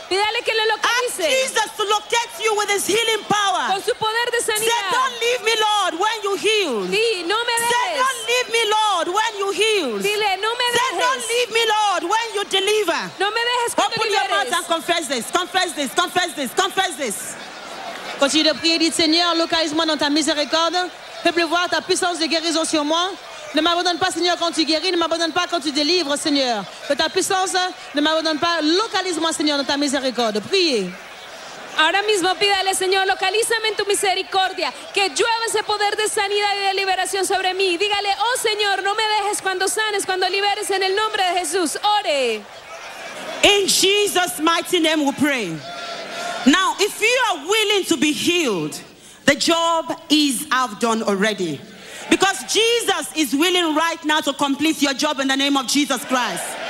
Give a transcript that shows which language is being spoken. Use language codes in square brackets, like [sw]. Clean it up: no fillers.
[es] Pídele que le localice. [en] Ask Jesus to locate you with his healing power. [es] Con su poder de sanidad. [en] Say, don't leave me, Lord, when you heal. [es] Sí, no me dejes. [en] Say, don't leave me, Lord, when you heal. [es] Dile, no me dejes. [en] Say, don't leave me, Lord, when you deliver. [es] No me dejes cuando [en] open [es] liberes. [en] Your mouth and confess this. Confess this. Confess this. Confess this. [fr] Continue de prier, dites Seigneur, localise-moi dans ta miséricorde. Fais-le voir ta puissance de guérison sur moi. Ne m'abandonne pas, Seigneur, quand tu guéris. Ne m'abandonne pas quand tu délivres, Seigneur. Que ta puissance ne m'abandonne pas. Localise-moi, Seigneur, dans ta miséricorde. Priez. [es] Ahora mismo pídale, Señor, localízame en tu misericordia, que llueva ese poder de sanidad y de liberación sobre mí. Dígale, oh Señor, no me dejes cuando sanes, cuando liberes en el nombre de Jesús. Ore. [en] In Jesus' mighty name we pray. Now, if you are willing to be healed, the job is half done already. Because Jesus is willing right now to complete your job in the name of Jesus Christ.